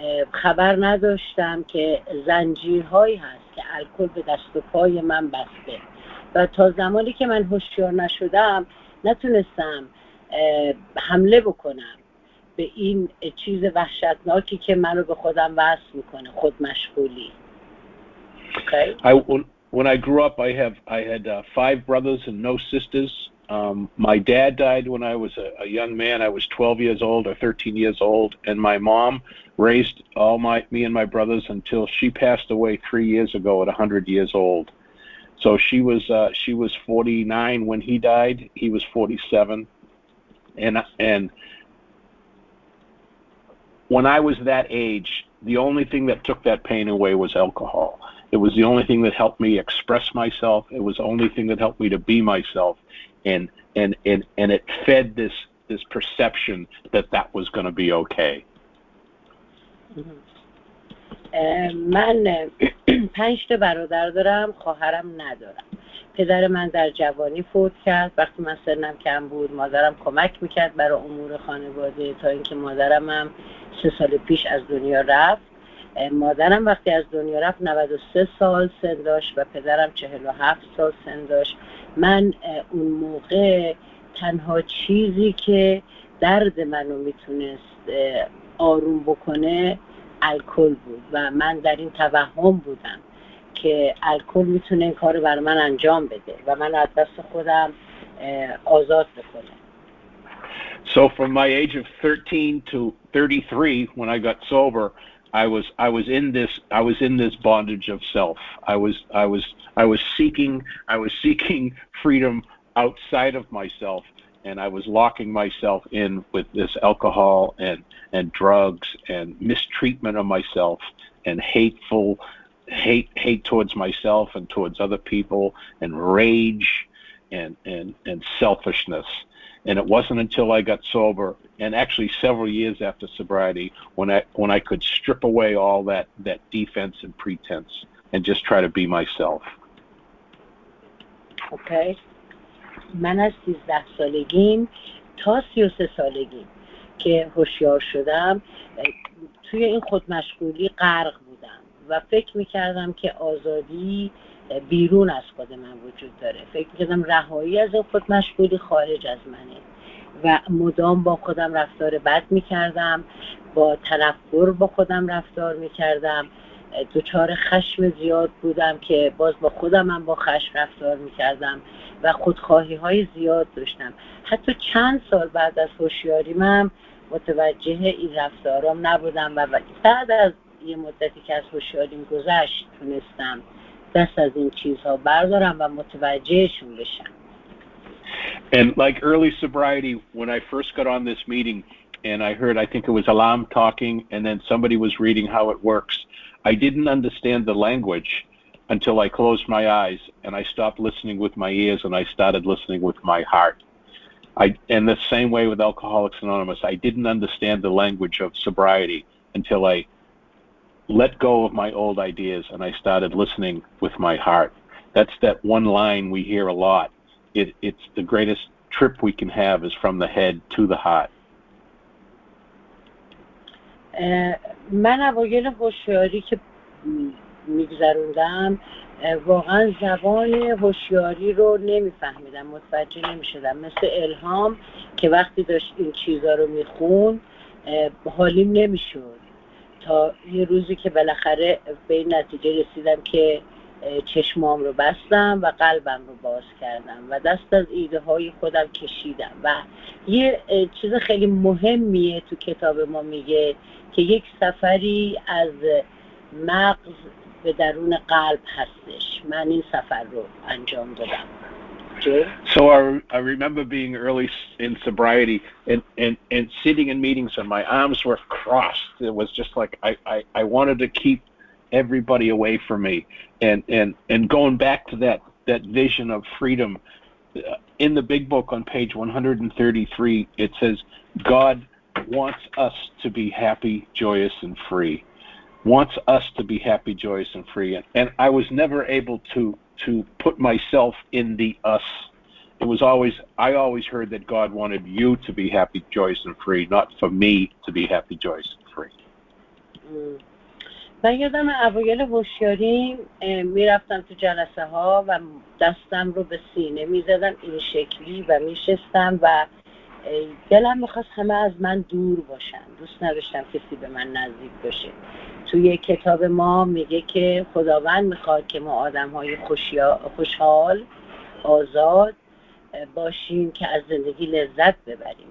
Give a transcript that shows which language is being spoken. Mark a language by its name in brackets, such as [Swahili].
[Persian] خبر نداشتم که زنجیرهایی هست که الکل به دست و پای من بسته. و تا زمانی که من هوشیار نشدم نتونستم حمله بکنم به این چیز وحشتناکی که منو به خودم وصل میکنه، خود مشغولی. [English] Okay. When I grew up, I had five brothers and no sisters. My dad died when I was a young man. I was 12 years old or 13 years old, and my mom raised all me and my brothers until she passed away 3 years ago at 100 years old. So she was 49 when he died. He was 47, and when I was that age, the only thing that took that pain away was alcohol. It was the only thing that helped me express myself. It was the only thing that helped me to be myself, and it fed this perception that was going to be okay. [Persian] من 5 تا برادر دارم، خواهرم ندارم. پدر من در جوانی فوت کرد. وقتی من سنم کم بود، مادرم کمک میکرد برای امور خانواده تا اینکه مادرم هم 3 سال پیش از دنیا رفت. مادرم وقتی از دنیا رفت 93 سال سن داشت و پدرم 47 سال سن داشت. من اون موقع تنها چیزی که درد منو میتونست آروم بکنه الکل بود و من در این توهم بودم که الکل میتونه این کارو برای من انجام بده و من از دست خودم آزاد بکنه. [English] So from my age of 13 to 33 when I got sober, I was in this bondage of self. I was seeking freedom outside of myself, and I was locking myself in with this alcohol and drugs and mistreatment of myself and hate towards myself and towards other people and rage and selfishness. And it wasn't until I got sober, and actually several years after sobriety, when I could strip away all that defense and pretense and just try to be myself. Okay. [Persian] من از 13 سالگیم تا 33 سالگیم که هوشیار شدم توی این خودمشغولی غرق بودم و فکر میکردم که آزادی بیرون از خود من وجود داره. فکر میکردم رهایی از خودمشغولی خارج از منه و مدام با خودم رفتار بد میکردم، با تنفر با خودم رفتار میکردم، دچار خشم زیاد بودم که باز با خودم هم با خشم رفتار میکردم و خودخواهی های زیاد داشتم. حتی چند سال بعد از هوشیاری من متوجه این رفتارام نبودم و بعد از یه مدتی که از هوشیاریم گذشت تونستم دست از این چیزها بردارم و متوجهشون بشم. [English] And like early sobriety, when I first got on this meeting and I heard, I think it was Alam talking and then somebody was reading how it works, I didn't understand the language until I closed my eyes and I stopped listening with my ears and I started listening with my heart. And the same way with Alcoholics Anonymous, I didn't understand the language of sobriety until I let go of my old ideas and I started listening with my heart. That's that one line we hear a lot. It's the greatest trip we can have is from the head to the heart. [Persian] من اوایل هوشیاری که میگذروندم واقعا زبان هوشیاری رو نمیفهمیدم، متوجه نمیشدم. مثل الهام که وقتی داشت این چیزا رو میخون حالیم نمیشد، تا یه روزی که بالاخره به این نتیجه رسیدم که چشمام رو بستم و قلبم رو باز کردم و دست از ایده های خودم کشیدم. و یه چیز خیلی مهمیه تو کتاب ما میگه که یک سفری از مغز به درون قلب هستش. من این سفر رو انجام دادم. [English] So I remember being early in sobriety and sitting in meetings and my arms were crossed. It was just like I wanted to keep everybody away from me, and going back to that vision of freedom. In the big book on page 133, it says God wants us to be happy, joyous, and free. Wants us to be happy, joyous, and free. And I was never able to put myself in the us. It was always, I always heard that God wanted you to be happy, joyous, and free, not for me to be happy, joyous, and free. [Persian] من یادم اوایل هوشیاری می رفتم تو جلسه ها و دستم رو به سینه می زدم این شکلی و می شستم و دلم می خواست همه از من دور باشن. دوست نداشتم کسی به من نزدیک باشه. توی کتاب ما میگه که خداوند میخواد که ما آدم های خوشحال آزاد باشیم که از زندگی لذت ببریم.